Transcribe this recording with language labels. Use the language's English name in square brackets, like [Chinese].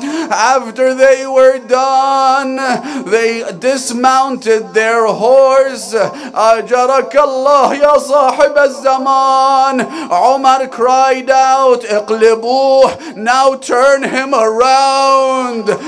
[English] After they were done, they dismounted their horse. [Arabic] أجرك الله يا صاحب الزمان. [English] Umar cried out, [Arabic] اقلبوه, [English] now turn him around.